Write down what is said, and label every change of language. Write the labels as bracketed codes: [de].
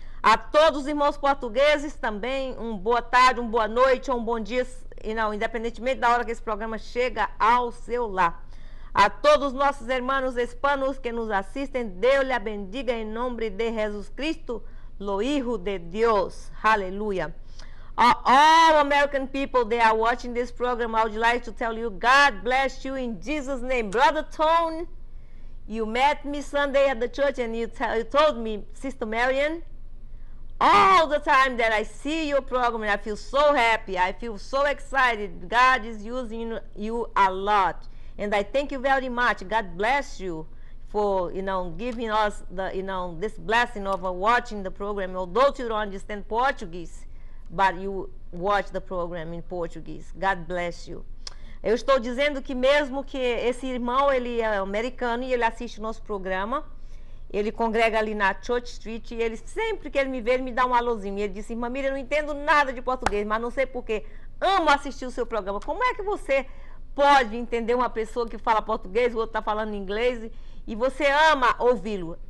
[pt] A todos os irmãos portugueses também, uma boa tarde, uma boa noite, um bom dia, e não, independentemente da hora que esse programa chega ao seu lar. A todos nossos irmãos hispanos que nos assistem, Deus lhe bendiga em nome de Jesus Cristo, [es] lo Hijo [pt] de Deus. Aleluia. [en] All American people, they are watching this program. I would like to tell you, God bless you in Jesus' name. Brother Tone, you met me Sunday at the church and you told me, Sister Marian, all the time that I see your program, I feel so happy. I feel so excited. God is using you a lot. And I thank you very much. God bless you for, giving us the, this blessing of watching the program. Although you don't understand Portuguese, but you watch the program in Portuguese. God bless you. [pt] Eu estou dizendo que mesmo que esse irmão, ele é americano e ele assiste o nosso programa, ele congrega ali na Church Street e ele sempre que ele me vê, ele me dá um alôzinho. E ele disse, irmã Miriam, eu não entendo nada de português, mas não sei por quê. Amo assistir o seu programa. Como é que você pode entender uma pessoa que fala português, o outro está falando inglês e você ama ouvi-lo?